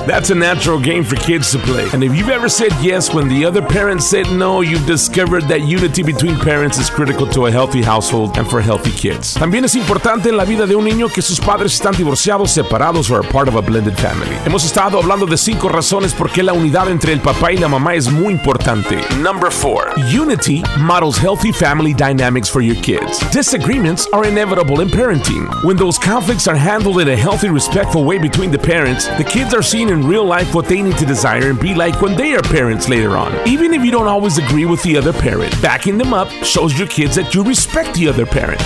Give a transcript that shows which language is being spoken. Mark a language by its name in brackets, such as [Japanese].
[English] That's a natural game for kids to play. And if you've ever said yes when the other parent said no, you've discovered that unity between parents is critical to a healthy household and for healthy kids. [Spanish] También es importante en la vida de un niño que sus padres están divorciados, separados, or a part of a blended family. Hemos estado hablando de cinco razones por qué la unidad entre el papá y la mamá es muy importante. [English] Number four. Unity models healthy family dynamics for your kids. Disagreements are inevitable in parenting. When those conflicts are handled in a healthy, respectful way between the parents, the kids are seeing in real life what they need to desire and be like when they are parents later on. Even if you don't always agree with the other parent, backing them up shows your kids that you respect the other parent.